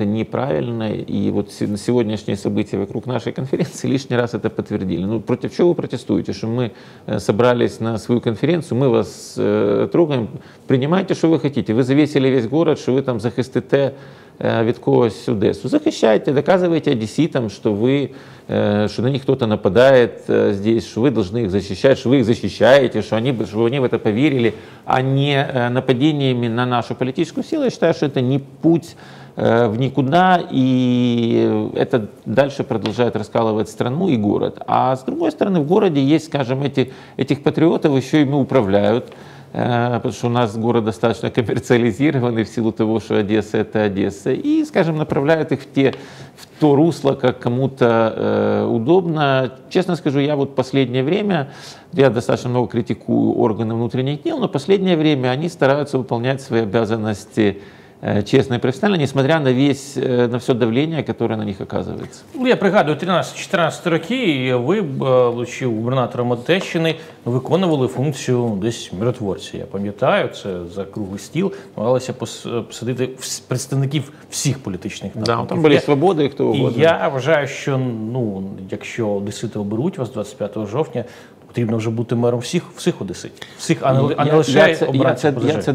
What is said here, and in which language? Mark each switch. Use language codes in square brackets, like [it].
[ru] Это неправильно, и вот сегодняшние события вокруг нашей конференции лишний раз это подтвердили. Ну, против чего вы протестуете, что мы собрались на свою конференцию, мы вас трогаем, принимайте, что вы хотите, вы завесили весь город, что вы там [uk] захистите від когось Одесу. Захищайте, доказуйте одеситам, що ви, що на них хтось нападає здесь, що ви повинні їх захищати, що ви їх захищаєте, що вони в це повірили, а не нападіннями на нашу політичну силу. Я вважаю, що це не путь в нікуди, і це далі продовжує розкалувати країну і міст. А з іншої сторони, в місті є, скажімо, цих патріотів, що їм управляють. [ru] потому что у нас город достаточно коммерциализированный в силу того, что Одесса — это Одесса, и, скажем, направляют их в то русло, как кому-то удобно. Честно скажу, я вот последнее время, я достаточно много критикую органы внутренних дел, но последнее время они стараются выполнять свои обязанности честно и профессионально, несмотря на весь, на все давление, которое на них оказывается. [uk] Я пригадую 13-14 роки, і ви, будучи губернатором Одещини, виконували функцію десь миротворця. Я пам'ятаю, це за круглий стіл намагалися посадити представників всіх політичних напрямків. Да, там були свободи, і хто угодно. І я вважаю, що ну, якщо одесити оберуть вас 25 жовтня, потрібно вже бути мером всіх одеситів, всіх, а не лише обранців ПЗЖ.